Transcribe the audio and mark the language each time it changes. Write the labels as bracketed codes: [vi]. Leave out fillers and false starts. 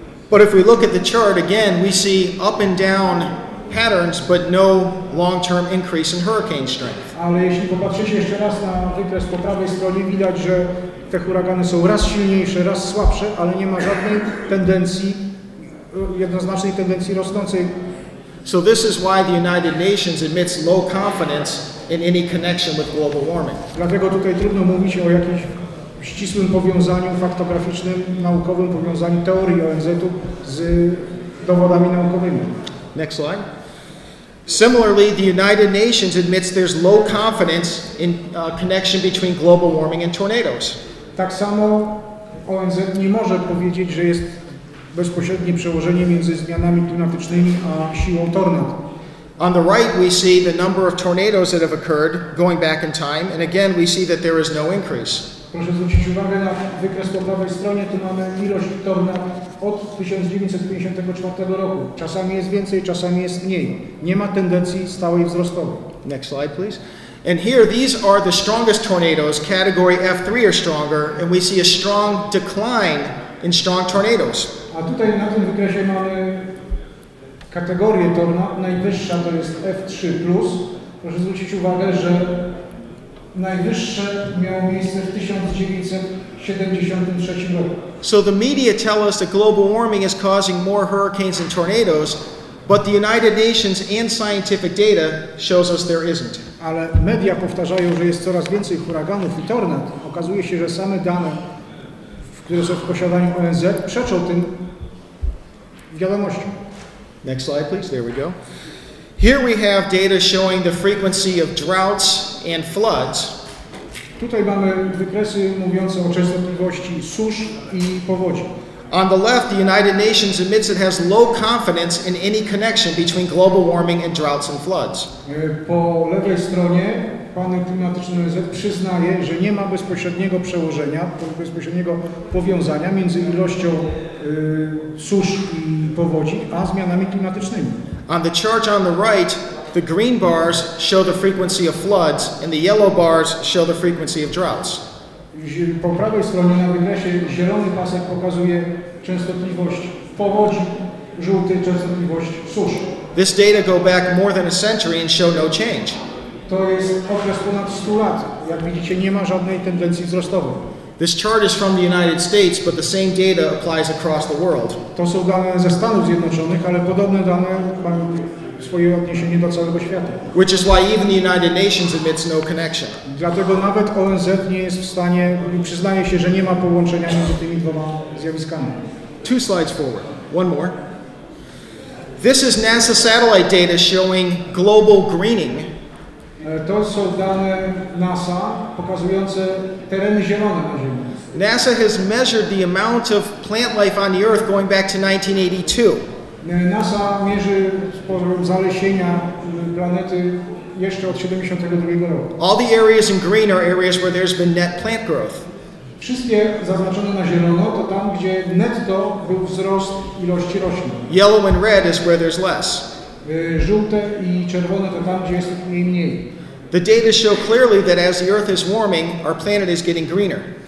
[en] But if we look at the chart again, we see up and down patterns, but no long-term increase in hurricane strength. [pl] Ale jeśli popatrzycie jeszcze raz na wykres po prawej stronie, widać, że te huragany są raz silniejsze, raz słabsze, ale nie ma żadnej tendencji, jednoznacznej tendencji rosnącej. [en] So this is why the United Nations admits low confidence in any connection with global warming. [pl] Dlatego tutaj trudno mówić o jakimś ścisłym powiązaniu faktograficznym, naukowym powiązaniu teorii ONZ-u z dowodami naukowymi. [en] Next slide. Similarly, the United Nations admits there's low confidence in connection between global warming and tornadoes. [pl] Tak samo ONZ nie może powiedzieć, że jest bezpośrednie przełożenie między zmianami klimatycznymi a siłą tornad. [en] On the right we see the number of tornadoes that have occurred going back in time, and again we see that there is no increase. [pl] Proszę zwrócić uwagę na wykres po prawej stronie, tu mamy ilość tornad od 1954 roku. Czasami jest więcej, czasami jest mniej. Nie ma tendencji stałej wzrostowej. [en] Next slide, please. And here, these are the strongest tornadoes, category F3 or stronger, and we see a strong decline in strong tornadoes. [pl] A tutaj na tym wykresie mamy kategorię tornad. Najwyższa to jest F3+. Proszę zwrócić uwagę, że najwyższe miało miejsce w 1973 roku. [en] So the media tell us that global warming is causing more hurricanes and tornadoes, but the United Nations and scientific data shows us there isn't. [pl] Ale media powtarzają, że jest coraz więcej huraganów i tornad. Okazuje się, że same dane, które są w posiadaniu ONZ, przeczą tym wiadomościom. [en] Next slide, please. There we go. Here we have data showing the frequency of droughts and floods. [pl] Tutaj mamy wykresy mówiące o częstotliwości susz i powodzi. [en] On the left, the United Nations admits it has low confidence in any connection between global warming and droughts and floods. [pl] Po lewej stronie panel klimatyczny ONZ przyznaje, że nie ma bezpośredniego przełożenia, bezpośredniego powiązania między ilością susz i powodzi a zmianami klimatycznymi. [en] On the chart on the right, the green bars show the frequency of floods, and the yellow bars show the frequency of droughts. [pl] Po prawej stronie na wykresie zielony pasek pokazuje częstotliwość powodzi, żółty częstotliwość susz. [en] This data go back more than a century and show no change. [pl] To jest okres ponad 100 lat. Jak widzicie, nie ma żadnej tendencji wzrostowej. [en] This chart is from the United States, but the same data applies across the world. [pl] To są dane ze Stanów Zjednoczonych, ale podobne dane mają swoje odniesienie do całego świata. [en] Which is why even the United Nations admits no connection. [pl] Dlatego nawet ONZ nie jest w stanie, przyznaje się, że nie ma połączenia między tymi dwoma zjawiskami. [en] Two slides forward. One more. This is NASA satellite data showing global greening. [pl] To są dane NASA pokazujące tereny zielone na Ziemi. [en] NASA has measured the amount of plant life on the Earth going back to 1982. [pl] NASA mierzy sporo zalesienia planety jeszcze od 72 roku. [en] All the areas in green are areas where there's been net plant growth. [pl] Wszystkie zaznaczone na zielono to tam, gdzie netto był wzrost ilości roślin. [en] Yellow and red is where there's less. [pl] Żółte i czerwone to tam, gdzie jest mniej. [en] The data show clearly that as the Earth is warming, our planet is getting greener.